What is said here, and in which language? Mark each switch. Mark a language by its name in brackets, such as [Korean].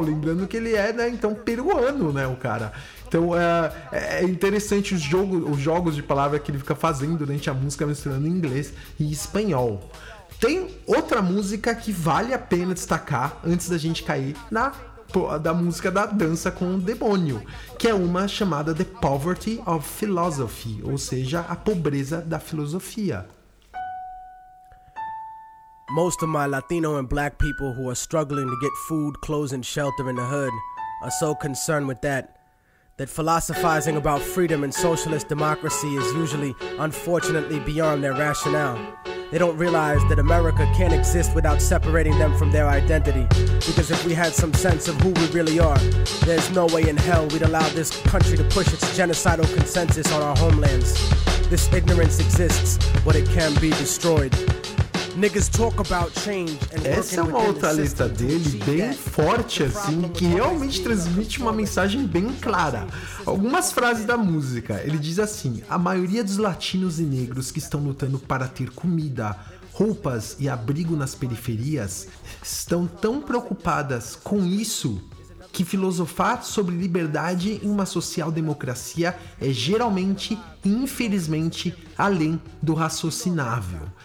[Portuguese] Lembrando que ele é, né, então, peruano, né, o cara. Então, é interessante os jogos de palavras que ele fica fazendo durante a música, misturando inglês e espanhol. Tem outra música que vale a pena destacar antes da gente cair na da música da dança com o demônio, que é uma chamada The Poverty of Philosophy, ou seja, a pobreza da filosofia. [English] Most of my Latino and black people who are struggling to get food, clothes and shelter in the hood are so concerned with that that philosophizing about freedom and socialist democracy is usually unfortunately beyond their rationale. They don't realize that America can't exist without separating them from their identity. Because if we had some sense of who we really are, there's no way in hell we'd allow this country to push its genocidal consensus on our homelands. This ignorance exists, but it can be destroyed. Niggas talk about change and working. [Portuguese] Essa é uma outra letra dele, bem forte assim, que realmente transmite uma mensagem bem clara. Algumas frases da música, ele diz assim: a maioria dos latinos e negros que estão lutando para ter comida, roupas e abrigo nas periferias estão tão preocupadas com isso que filosofar sobre liberdade em uma social democracia é geralmente, infelizmente, além do raciocinável.